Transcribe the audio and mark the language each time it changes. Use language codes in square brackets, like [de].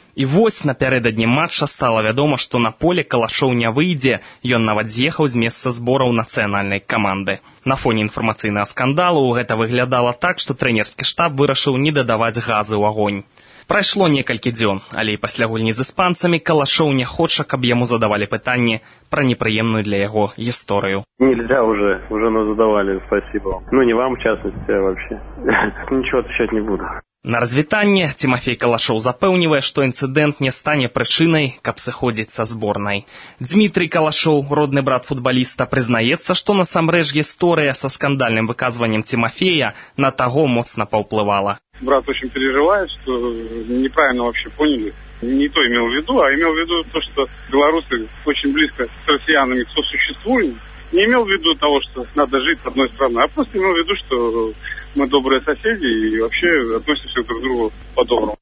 [be] І вось напярэдадні матча стала вядома, што на поле Калашоў не выйдзе, ён нават з'ехаў з месца збораў нацыянальнай каманды. На фоне інфармацыйнага скандалу гэта выглядала так, што трэнерскі штаб вырашыў не дадаваць газы ў агонь. Прайшло некалькі дзён, але і пасля гульні з іспанцамі Калашоў не хоча, каб яму задавалі пытанні пра непрыемную для яго гісторыю. [ru] Нельзя ўжо, нас задавалі, спасибо. Ну не вам, в частности, вообще. [be] Нічого [ru] отвечать не буду. [be] На развітанне Тимофей Калашоў запэўнівае, што інцыдэнт не стане прычынай, каб сыходзіць са зборнай. Дмітрый Калашоў, родны брат футбаліста, прызнаецца, што насамрэч гісторыя са скандальным выказваннем Тимофея на таго моцна паўплывала. [ru] Брат очень переживает, что неправильно вообще поняли. Не то имел в виду, а имел в виду то, что белорусы очень близко с россиянами сосуществуют. Не имел в виду того, что надо жить с одной стороны, а просто имел в виду, что мы добрые соседи и вообще относимся друг к другу по-доброму.